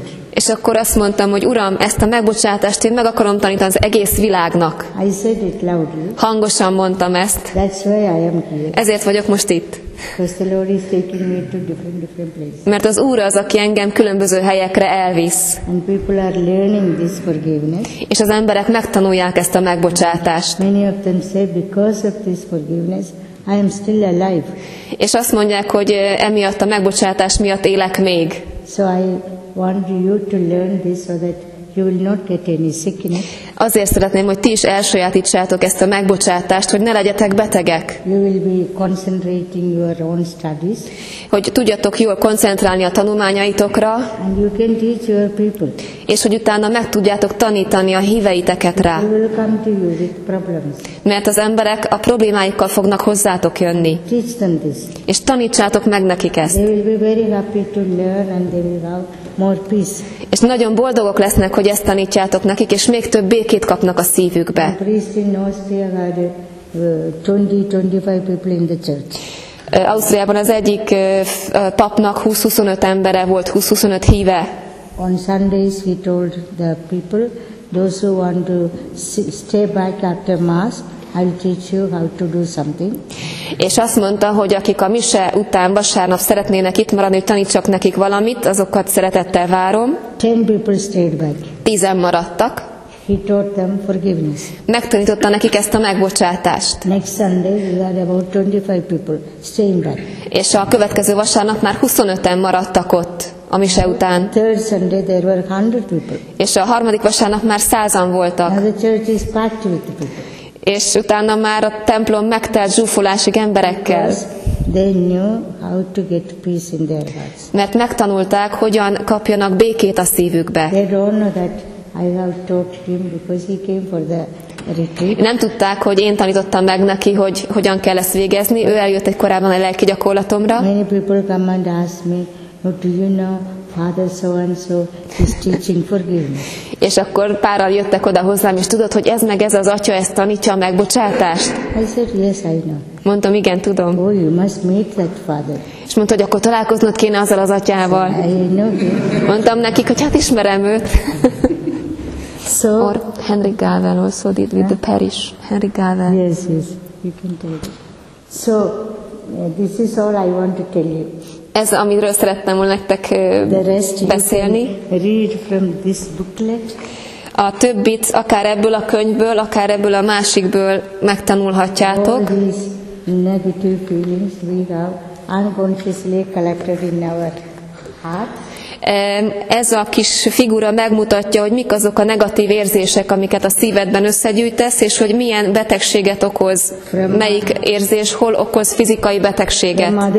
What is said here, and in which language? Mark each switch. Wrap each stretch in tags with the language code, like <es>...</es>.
<hu>És akkor azt mondtam, hogy Uram, ezt a megbocsátást én meg akarom tanítani az egész világnak.</hu> <en>I said it loudly.</en> <hu>Hangosan mondtam ezt.</hu> <en>That's why I am here.</en> <hu>Ezért vagyok most itt.</hu> <en>Because the Lord is taking me to different places.</en> <hu>Mert az Úr az, aki engem különböző helyekre elvisz.</hu> <en>And people are learning this forgiveness.</en> <hu>És az emberek megtanulják ezt a megbocsátást.</hu> <en>Many of them say, because of this forgiveness, I am still alive.</en> <hu>És azt mondják, hogy emiatt a megbocsátás miatt élek még.</hu> <en>So I want you to learn this so that you will not get any sickness.</en> <hu>Azért szeretném, hogy ti is elsajátítsátok ezt a megbocsátást, hogy ne legyetek betegek.</hu> <en>You will be concentrating your own studies.</en> <hu>Hogy tudjatok jól koncentrálni a tanulmányaitokra.</hu> <en>And you can teach your people.</en> <hu>És hogy utána meg tudjátok tanítani a híveiteket rá.</hu> <en>They will come to you with problems.</en> <hu>Mert az emberek a problémáikkal fognak hozzátok jönni.</hu> <en>Teach them this.</en> <hu>És tanítsátok meg nekik ezt.</hu> <en>They will be very happy to learn and they will have more peace.</en> <hu>És nagyon boldogok lesznek, hogy ezt tanítjátok nekik, és még több békét kapnak a szívükbe.</hu> <en>A priest in Austria had 20-25 people in the church.</en> <hu>Ausztriában az egyik papnak 20-25 embere volt, 20-25 híve.</hu> <en>On Sundays he told the people, those who want to stay back after mass, I'll teach you how to do something.</en> <hu>És azt mondta, hogy akik a mise után vasárnap szeretnének itt maradni, tanítsak nekik valamit, azokat szeretettel várom.</hu> <en>10 people stayed back.</en> <hu>10 maradtak.</hu> <en>He taught them forgiveness.</en> <hu>Megtanította nekik ezt a megbocsátást.</hu> <en>Next Sunday we had about 25 people staying back.</en> <hu>És a következő vasárnap már 25-en maradtak ott a mise után.</hu> <en>Third Sunday there were 100 people.</en> <hu>És a harmadik vasárnap már 100-an voltak.</hu> <en>Now the church is packed with people.</en> <hu>És utána már a templom megtelt zsúfolásig emberekkel.</hu> <en>They knew how to get peace in their hearts. Mert megtanulták, hogyan kapjanak békét a szívükbe. They don't know that I have taught him because he came for the retreat.</en> <hu>Nem tudták, hogy én tanítottam meg neki, hogy hogyan kell ezt végezni. Ő eljött egy korábban a lelki gyakorlatomra.</hu> <en>Many people come and ask me, do you know Father so and so is teaching forgiveness.</en> <hu>És akkor párral jöttek oda hozzám, és tudod, hogy ez meg ez az atya, ezt tanítja a megbocsátást.</hu> <en>I said, yes, I know.</en> <hu>Mondtam, igen, tudom.</hu> <en>Oh, you must meet that father.</en> <hu>És mondta, hogy akkor találkoznod kéne azzal az atyával. Mondtam nekik, hogy hát ismerem őt.</hu> <en>So, or Henry Gavel also did with the parish. Henry Gavel. Yes, yes, you can tell it. So, this is all I want to tell you.</en> <hu>Ez, amiről szerettem volna nektek beszélni.</hu> <en>Read from this booklet.</en> <hu>A többit akár ebből a könyvből, akár ebből a másikből megtanulhatjátok.</hu> <en>All these negative feelings we have unconsciously collected in our heart.</en> <hu>Ez a kis figura megmutatja, hogy mik azok a negatív érzések, amiket a szívedben összegyűjtesz, és hogy milyen betegséget okoz, melyik érzés hol okoz fizikai betegséget.</hu>